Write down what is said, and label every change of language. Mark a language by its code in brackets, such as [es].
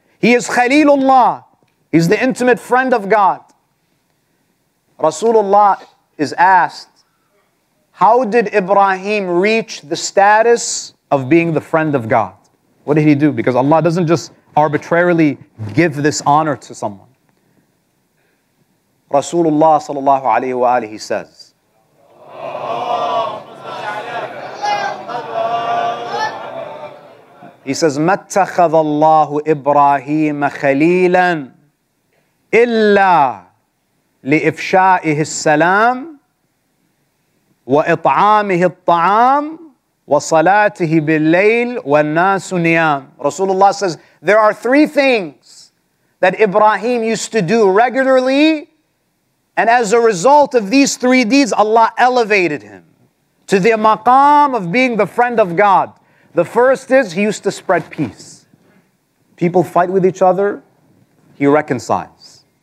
[en] He is Khalilullah. He's the intimate friend of God. Rasulullah is asked, how did Ibrahim reach the status of being the friend of God? What did he do? Because Allah doesn't just arbitrarily give this honor to someone. Rasulullah sallallahu alayhi wa alihi says, he says, [ar] مَتَّخَذَ اللَّهُ إِبْرَاهِيمَ خَلِيلًا إِلَّا لِإِفْشَائِهِ السَّلَامِ وَإِطْعَامِهِ الطَّعَامِ وَصَلَاتِهِ بِالْلَّيْلِ وَالنَّاسُ نِيَامِ. [en] Rasulullah says, there are three things that Ibrahim used to do regularly, and as a result of these three deeds, Allah elevated him to the maqam of being the friend of God. The first is, he used to spread peace. People fight with each other, he reconciles.